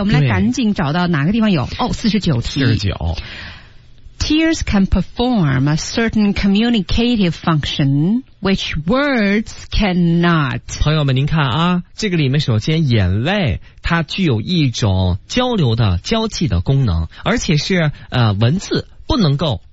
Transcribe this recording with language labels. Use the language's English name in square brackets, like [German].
[Chinese] 我们来赶紧找到哪个地方有哦，49题。 49 [English] Tears can perform a certain communicative function which words cannot. [Chinese] 朋友们您看啊，这个里面首先眼泪它具有一种交流的交际的功能，而且是文字不能够